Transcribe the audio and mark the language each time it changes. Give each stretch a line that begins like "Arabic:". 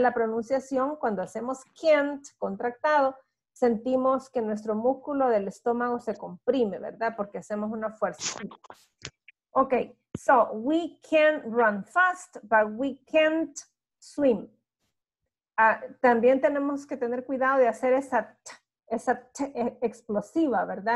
Spanish: La pronunciación, cuando hacemos can't contractado, sentimos que nuestro músculo del estómago se comprime, ¿verdad? Porque hacemos una fuerza.
English: Ok, so we can run fast, but we can't swim.
Spanish: También tenemos que tener cuidado de hacer esa t explosiva, ¿verdad?